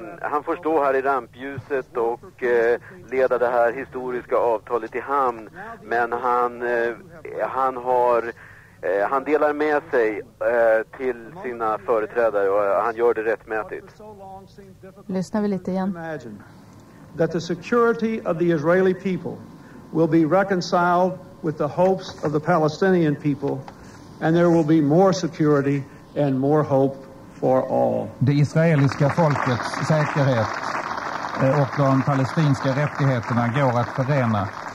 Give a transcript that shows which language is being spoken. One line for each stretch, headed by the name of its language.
Swedish: Han får stå här i rampljuset och leda det här historiska avtalet i hamn, men han delar med sig till sina företrädare och han gör det rättmätigt. Lyssnar vi lite igen.
English: That the security of the Israeli people will be reconciled with the hopes of the Palestinian people and there will be more security and more hope for all.
Swedish: Det israeliska folkets säkerhet och de palestinska rättigheterna går att förena.